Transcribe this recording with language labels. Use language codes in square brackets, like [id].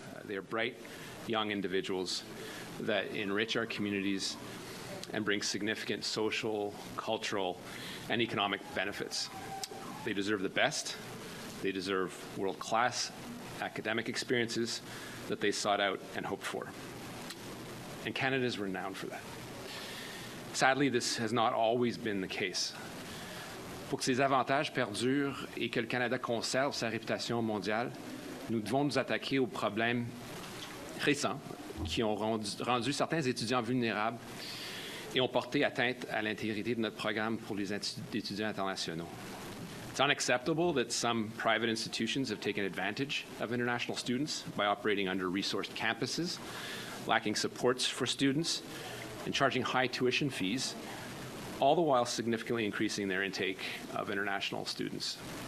[en] They are bright, young individuals that enrich our communities and bring significant social, cultural, and economic benefits. They deserve the best. They deserve world-class academic experiences that they sought out and hoped for. And Canada is renowned for that. Sadly, this has not always been the case. [fr] Pour que ces avantages perdurent et que le Canada conserve sa réputation mondiale, nous devons nous attaquer aux problèmes récents qui ont rendu certains étudiants vulnérables et ont porté atteinte à l'intégrité de notre programme pour les étudiants internationaux. [en] It's unacceptable that some private institutions have taken advantage of international students by operating under-resourced campuses, lacking supports for students, and charging high tuition fees, all the while significantly increasing their intake of international students.